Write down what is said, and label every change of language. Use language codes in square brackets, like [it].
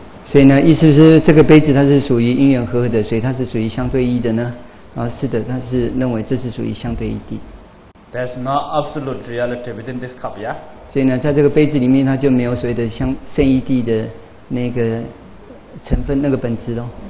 [zh] 所以呢，意思是这个杯子它是属于因缘和合的，所以它是属于相对异的呢？啊，是的，它是认为这是属于相对异地。 [en] There's no absolute reality within this cup, yeah. [zh] 所以呢，在这个杯子里面，它就没有所谓的相生异地的那个成分、那个本质喽。